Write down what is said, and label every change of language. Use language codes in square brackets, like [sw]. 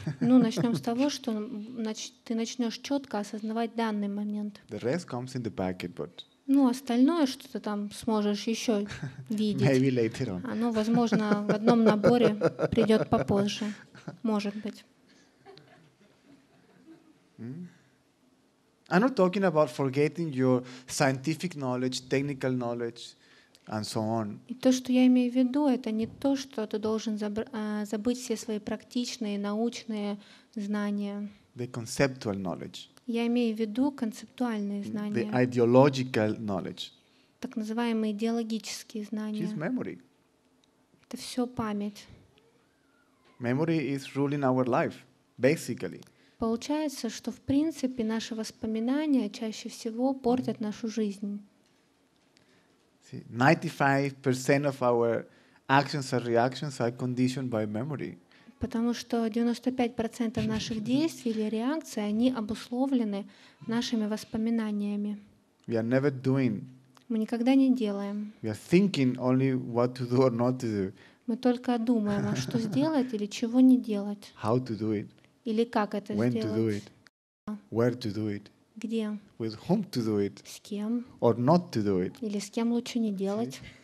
[ru] Ну, начнем с того, что ты начнешь четко осознавать данный момент. [en] The rest comes in the packet, but. [ru] Ну, остальное, что ты там сможешь еще видеть. [en] Maybe later on. [ru] Оно, возможно, в одном наборе придет попозже. Может быть. [en] I'm not talking about forgetting your scientific knowledge, technical knowledge, and so on. [ru] И то, что я имею в виду, это не то, что ты должен забыть все свои практичные, научные знания. [en] The conceptual knowledge. [ru] Я имею в виду концептуальные знания. [en] The ideological knowledge. [ru] Так называемые идеологические знания. [en] It's memory. [ru] Это все память. [en] Memory is ruling our life, basically. [ru] Получается, что в принципе наши воспоминания чаще всего портят нашу жизнь. [en] See, 95% of our actions and reactions are conditioned by memory. [ru] Потому что 95% наших действий или реакций, они обусловлены нашими воспоминаниями. [en] We are never doing. [ru] Мы никогда не делаем. [en] We are thinking only what to do or not to do. [ru] Мы только думаем, а что сделать или чего не делать. [en] How to do it. [ru] Или как это [en] when [ru] сделать? [en] To do it. Where to do it. [ru] Где? [en] With whom to do it. [ru] С кем? [en] Or not to do it. [ru] Или с кем лучше не делать?